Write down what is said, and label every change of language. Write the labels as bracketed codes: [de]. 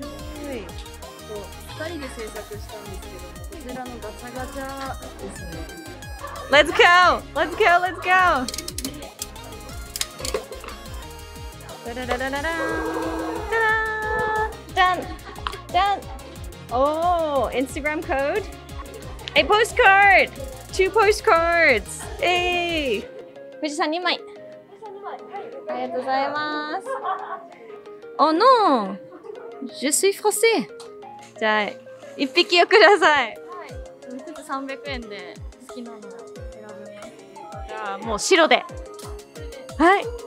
[ja] ちょっと2人で制作したんですけど、こちらのガチャガチャですね。 [en] Let's go! Let's go! Let's go! [ja] ダラララララーン、ダラーン、ダン、ダン。 [en] おー、Instagram コード、A postcard! Two postcards! Hey! [ja] 富士山2枚。ありがとうございます。 [en] Oh no! [fr] Je suis français! [ja] じゃあ、一匹をください。はい。 300円で好きなのを選ぶね。じゃあ、もう白で。はい。